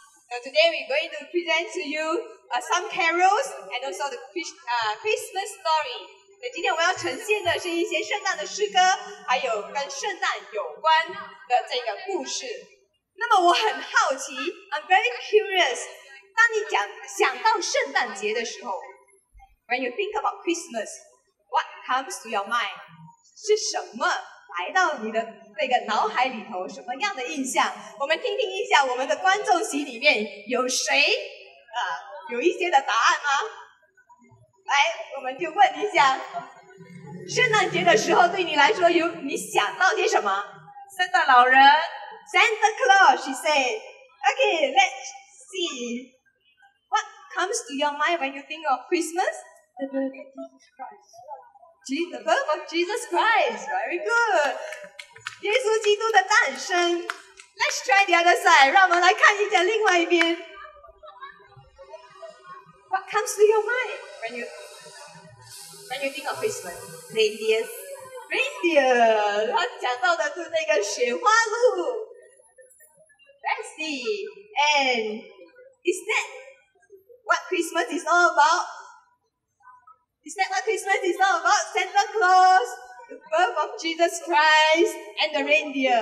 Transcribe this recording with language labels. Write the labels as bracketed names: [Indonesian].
[English] So today we're going to present to you some carols and also the Christmas story。 [Chinese] 那今天我要呈现的是一些圣诞的诗歌，还有跟圣诞有关的这个故事。那么我很好奇 [English] ，I'm very curious。 [Chinese] 当你想到圣诞节的时候 [English] ，When you think about Christmas, what comes to your mind？ [Chinese] 是什么来到你的那个脑海里头？什么样的印象？我们听听一下我们的观众席里面有谁啊、有一些的答案吗？来，我们就问一下，圣诞节的时候对你来说有你想到些什么？圣诞老人 [English] ，Santa Claus. She said, "Okay, let's see what comes to your mind when you think of Christmas." The birth of Jesus Christ. Very good. [Chinese] 耶稣基督的诞生。 [English] Let's try the other side. [Chinese] 让我们来看一下另外一边。 [English] What comes to your mind when you think of Christmas? Reindeer. [Chinese] 他讲到的是那个雪花鹿。 [English] Let's see. And is that what Christmas is all about? Is that what Christmas is all about? Santa Claus, the birth of Jesus Christ, and the reindeer.